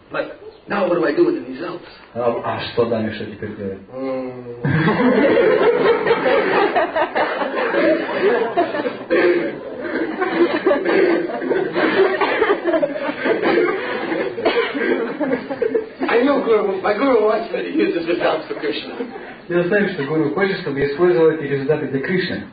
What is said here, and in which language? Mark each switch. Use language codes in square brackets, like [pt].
[en] But now what do I do with the results? [ru] А что дальше теперь делать? [en] I know Guru. My Guru wants me to use these results for Krishna. [ru] Я знаю, что Гуру хочет, чтобы я использовал эти результаты для Кришны.